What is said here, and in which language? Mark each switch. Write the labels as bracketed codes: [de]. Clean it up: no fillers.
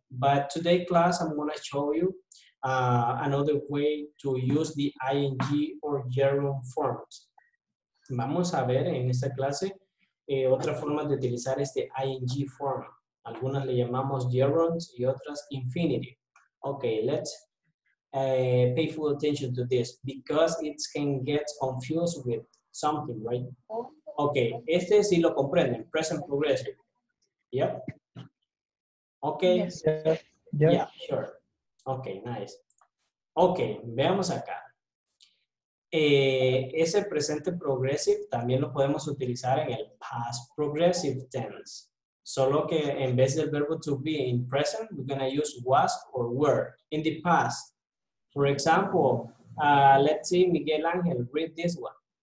[en] But today class, I'm going to show you another way to use the ing or gerund forms. [es] Vamos a ver en esta clase otra forma de utilizar este ing form. Algunas le llamamos gerunds y otras infinitive. [en] Okay, let's pay full attention to this because it can get confused with something, right? [es] Okay, este sí lo comprenden, present progressive. Yep. Okay. [en] Yes. Yeah, sure. Okay, nice. Okay, [es] veamos acá. Ese presente progressive también lo podemos utilizar en el past progressive tense. Solo que en vez del verbo [en] to be in present, we're going to use was or were in the past. For example, let's see Miguel Angel, read this one.